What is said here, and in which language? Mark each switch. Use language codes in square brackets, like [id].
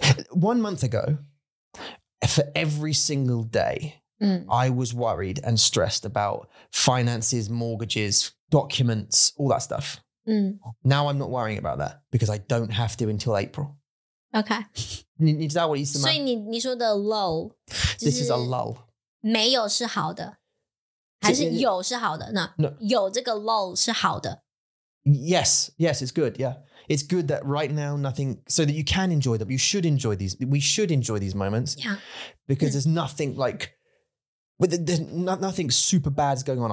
[en] 1 month ago, for every single day, I was worried and stressed about finances, mortgages, documents, all that stuff. Now I'm not worrying about that because I don't have to until April. Okay. [zh] 你知道我意思吗? 所以你说的 lull. [en] This is a lull. [zh] 没有是好的, 还是有是好的? No, 有这个 lull是好的. [en] Yes, it's good, yeah. It's good that right now nothing, so that you can enjoy them. You should enjoy these. We should enjoy these moments. Yeah. Because there's nothing like, nothing super bad is going on.